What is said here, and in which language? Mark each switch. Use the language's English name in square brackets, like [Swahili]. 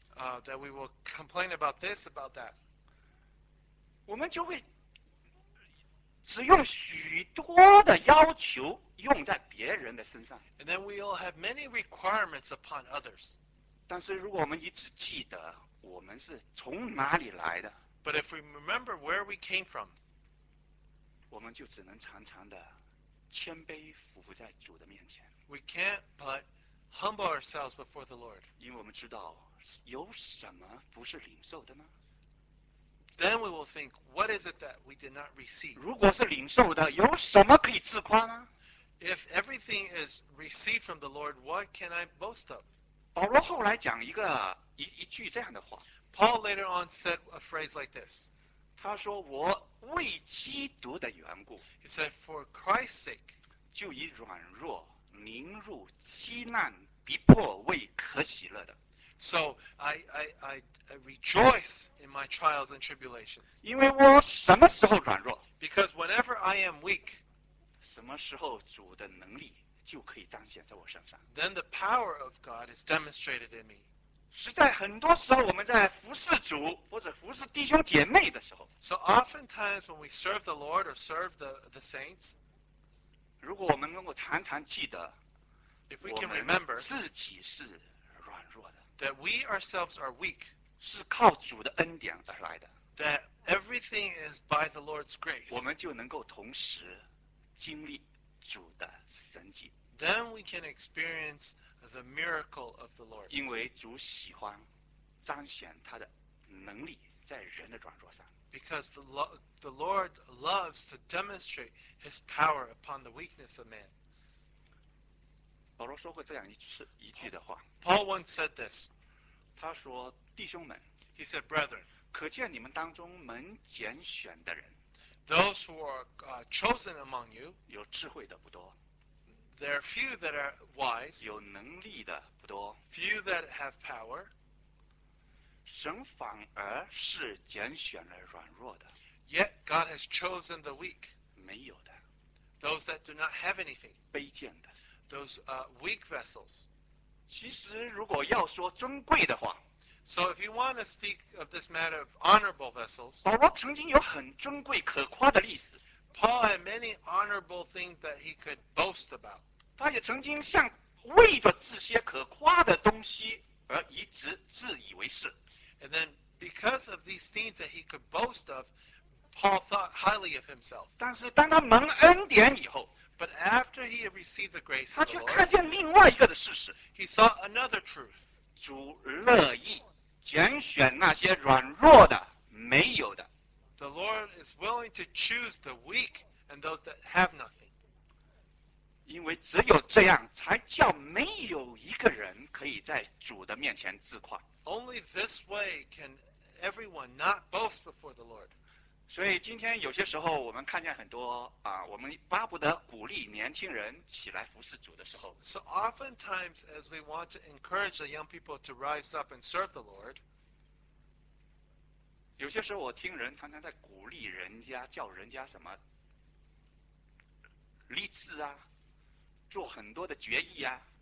[English] That we will complain about this, about that. [Chinese] 我们就会只用许多的要求用在别人的身上。 [English] And then we will have many requirements upon others. [Chinese] 但是如果我们一直记得我们是从哪里来的 [English] ？But if we remember where we came from， [Chinese] 我们就只能常常的谦卑俯伏在主的面前。 [English] We can't but humble ourselves before the Lord， [Chinese] 因为我们知道有什么不是领受的呢？ [English] Then we will think, what is it that we did not receive? [Chinese] 如果是领受的，有什么可以自夸呢？ [English] If everything is received from the Lord, what can I boast of? [Chinese] 保罗后来讲一句这样的话。 [English] Paul later on said a phrase like this. [Chinese] 他说我为基督的缘故。 [English] He said, for Christ's sake. [Chinese] 就以软弱凝入饥难逼迫为可喜乐的。 [English] So I rejoice in my trials and tribulations. [Chinese] 因为我什么时候软弱？ [English] Because whenever I am weak, [Chinese] 什么时候主的能力就可以彰显在我身上？ [English] Then the power of God is demonstrated in me. [Chinese] 实在很多时候我们在服侍主或者服侍弟兄姐妹的时候， [English] So oftentimes when we serve the Lord or serve the saints, [Chinese] 如果我们能够常常记得， [English] If we can remember, [Chinese] 自己是软弱的。 [English] That we ourselves are weak, [Chinese] 是靠主的恩典而来的。 [English] That everything is by the Lord's grace. [Chinese] 我们就能够同时经历主的神迹。 [English] Then we can experience the miracle of the Lord. [Chinese] 因为主喜欢彰显他的能力在人的软弱上。 [English] Because the Lord loves to demonstrate His power upon the weakness of man. [Chinese] 保罗说过这样一句的话。 [English] Paul once said this. [Chinese] 他说弟兄们， [English] He said, brethren, [Chinese] 可见你们当中蒙拣选的人， [English] Those who are chosen among you, [Chinese] 有智慧的不多， [English] There are few that are wise, [Chinese] 有能力的不多， [English] Few that have power, [Chinese] 神反而是拣选了软弱的， [English] Yet God has chosen the weak, [Chinese] 没有的， [English] Those that do not have anything, [Chinese] 卑贱的， [English] Those weak vessels, [Chinese] 其实如果要说尊贵的话， [English] So if you want to speak of this matter of honorable vessels, [Chinese] 保罗曾经有很尊贵可夸的历史， [English] Paul had many honorable things that he could boast about. [Chinese] 他也曾经像为着这些可夸的东西而一直自以为是。 [English] And then because of these things that he could boast of, Paul thought highly of himself. [Chinese] 但是当他蒙恩典以后， [English] But after he had received the grace of the Lord, [Chinese] 他却看见另外一个的事实。 [English] He saw another truth. [Chinese] 主乐意拣选那些软弱的、没有的。 [English] The Lord is willing to choose the weak and those that have nothing. [Chinese] 因为只有这样，才叫没有一个人可以在主的面前自夸。 [English] Only this way can everyone not boast before the Lord. [Chinese] 所以今天有些时候我们看见很多我们巴不得鼓励年轻人起来服侍主的时候。 [English] So oftentimes as we want to encourage the young people to rise up and serve the Lord, [Chinese] 有些时候我听人常常在鼓励人家，叫人家什么立志啊，做很多的决议啊。